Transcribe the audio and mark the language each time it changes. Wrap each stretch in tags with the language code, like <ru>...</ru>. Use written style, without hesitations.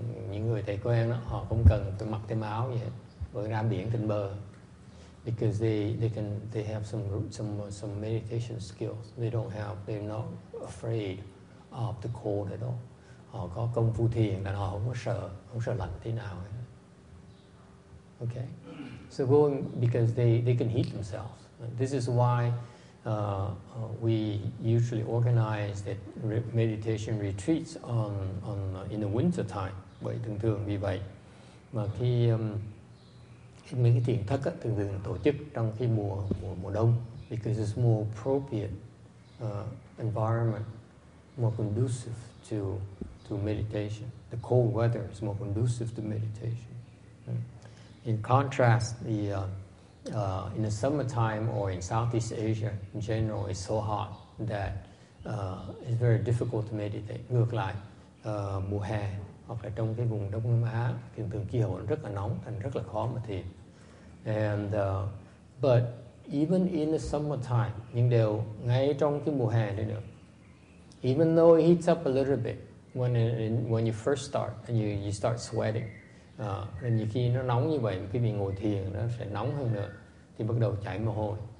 <vi>Những người thầy quen đó, họ không cần phải mặc thêm áo gì hết, vừa ra biển trên bờ.</vi> <en>Because they have some meditation skills. They're not afraid of the cold at all.</en> <vi>Họ có công phu thiền là họ không sợ lạnh thế nào.</vi> <en>Okay, so going because they can heat themselves. This is why we usually organize that meditation retreats on in the winter time.</en> <vi>Bởi thường vì vậy mà khi mấy cái thiền thất á, thường tổ chức trong khi mùa đông, because it's more appropriate environment, more conducive to meditation.</vi> <en>The cold weather is more conducive to meditation. In contrast, the In the summertime or in Southeast Asia in general, it's so hot that it's very difficult to meditate.</en> <vi>Ngược lại, mùa hè hoặc là trong cái vùng Đông Nam Á thì thường khí hậu rất là nóng, thành rất là khó mà thiền. And but even in the summertime, nhưng đều ngay trong cái mùa hè này nữa. Even though it heats up a little bit when you first start and you start sweating, nên nhiều khi nó nóng như vậy, cái vì ngồi thiền nó sẽ nóng hơn nữa, thì bắt đầu chảy mồ hôi.</vi>